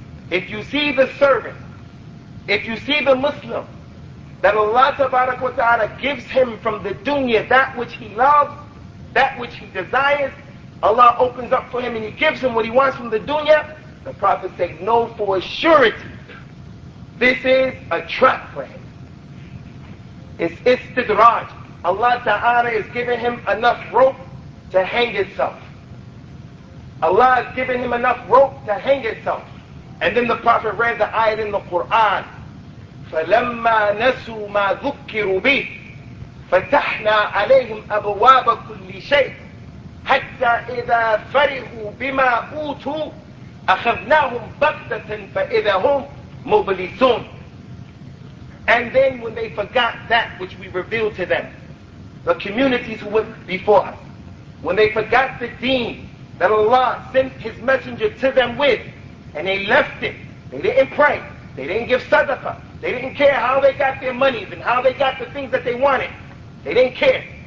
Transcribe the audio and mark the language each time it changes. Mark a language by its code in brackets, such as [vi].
[en] If you see the servant, if you see the Muslim, that Allah [ar] tabarak wa ta'ala [en] gives him from the dunya that which he loves, that which he desires, Allah opens up for him and he gives him what he wants from the dunya, the Prophet said, know for a surety, this is a trap for him. It's istidraj. Allah Ta'ala is giving him enough rope to hang itself. Allah is giving him enough rope to hang itself. And then the Prophet read the ayat in the Quran, [ar] فَلَمَّا نَسُوا مَا ذُكِّرُوا بِهِ فَتَحْنَا عَلَيْهِمْ أَبْوَابَ كُلِّ شَيْءٍ حَتَّى إِذَا فَرِحُوا بِمَا أُوتُوا أَخَذْنَاهُمْ بَغْتَةً فَإِذَا هُمْ مُبْلِسُونَ. [en] And then when they forgot that which we revealed to them, the communities who went before us, when they forgot the deen that Allah sent His Messenger to them with, and they left it, they didn't pray, they didn't give sadaqah, they didn't care how they got their monies and how they got the things that they wanted, they didn't care.